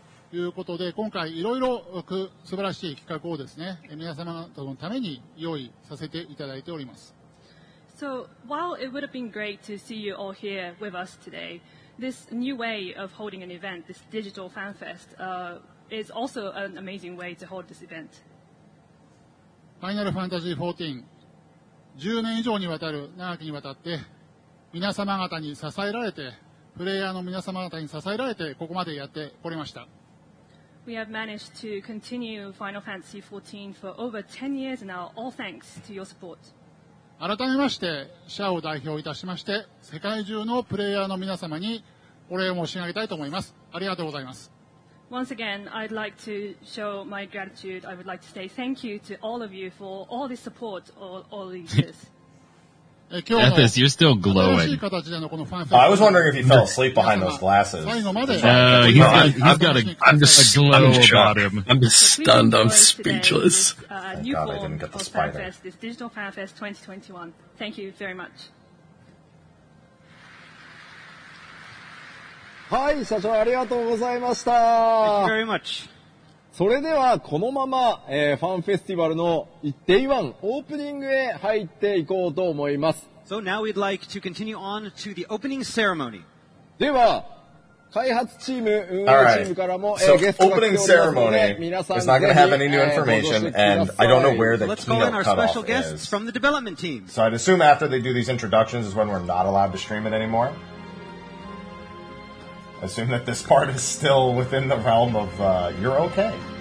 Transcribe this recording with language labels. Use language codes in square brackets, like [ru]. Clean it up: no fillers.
[ja] ということで今回いろいろ素晴らしい企画をですね皆様とのために用意させていただいております。 [en] So while it would have been great to see you all here with us today, this new way of holding an event, this digital fan fest, is also an amazing way to hold this event. [ja] Final Fantasy XIV 10年以上にわたる長きにわたって皆様方に支えられて、プレイヤーの皆様方に支えられてここまでやってこれました。 [en] We have managed to continue Final Fantasy XIV for over 10 years now, all thanks to your support. [ja] 改めまして、社を代表いたしまして、世界中のプレイヤーの皆様にお礼を申し上げたいと思います。ありがとうございます。 [en] Once again, I'd like to show my gratitude. I would like to say thank you to all of you for all the support all these years. Ethis, you're still glowing. I was wondering if he fell asleep behind those glasses. He's got a glow about him. I'm just stunned. I'm speechless. Thank God I didn't get the spider. FanFest, this Digital FanFest 2021. Thank you very much. [ja] Hi, 社長ありがとうございました。 [en] Thank you very much. [ja] それではこのまま、ファンフェスティバルの Day 1オープニングへ入っていこうと思います。 [en] So now we'd like to continue on to the opening ceremony. [ja] では、開発チーム、運営チームからも、ゲストが来ておりますので、皆さんぜひご登場してください。 [en] It's not going to have any new information, and I don't know where the keynote cutoff is. Let's call in our special guests from the development team. So I'd assume after they do these introductions is when we're not allowed to stream it anymore. Assume that this part is still within the realm of, you're okay.